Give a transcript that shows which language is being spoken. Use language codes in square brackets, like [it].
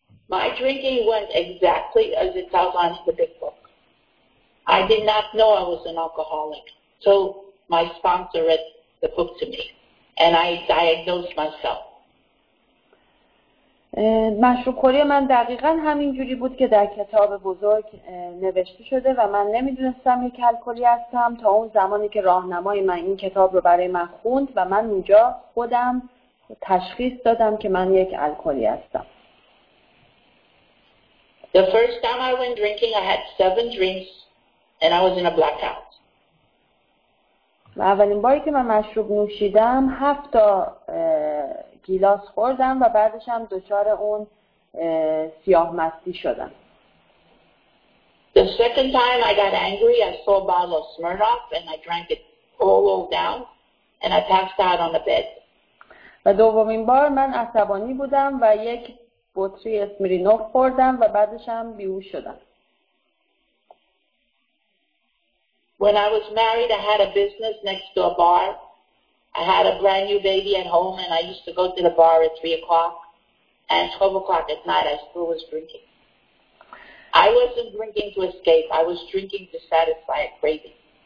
[en] My drinking went exactly as it outlined in the big book. I did not know I was an alcoholic, so my sponsor read the book to me, and I diagnosed myself. [fa] مشروب کاری من دقیقا همین جوری بود که در کتاب بزرگ نوشته شده و من نمیدونستم یک الکلی هستم تا اون زمانی که راهنمای من این کتاب رو برای من خوند و من اونجا خودم تشخیص دادم که من یک الکلی هستم. [en] The first time I went drinking I had 7 drinks and I was in a blackout. [fa] و اولین باری که من مشروب نوشیدم 7 تا گیلاس خوردم و بعدش هم دچار اون سیاه مستی شدم. [en] The second time I got angry, I saw a bottle of Smirnoff and I drank it all down and I passed out on the bed. [fa] و دومین بار من عصبانی بودم و یک بطری اسمیرنوف خوردم و بعدش هم بیهوش شدم. [en] When I was married, I had a business next to a bar. I had a brand new baby at home and I used to go to the bar at 3 o'clock and 12 o'clock at night I still was drinking. I wasn't drinking to escape, I was drinking to satisfy a craving.